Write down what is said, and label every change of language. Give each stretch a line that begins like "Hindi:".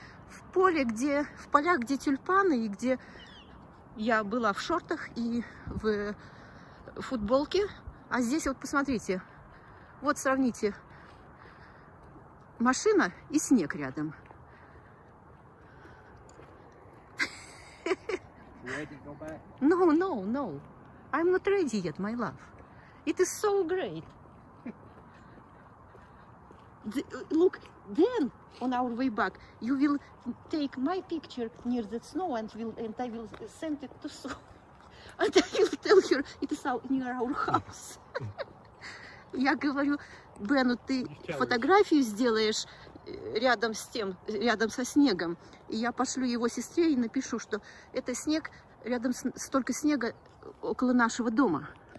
Russian: В полях, где тюльпаны, и где я была в шортах и в футболке. А здесь вот посмотрите, вот сравните, машина и снег рядом.
English: No, I'm not ready yet, my love. It is so great. Look, then on our way back, you will take my picture near the snow and I will send it to Sue. And I will tell her it is near our house.
Russian: Я говорю, Бену, ты фотографию сделаешь рядом со снегом, и я пошлю его сестре и напишу, что это снег, рядом столько снега около нашего дома.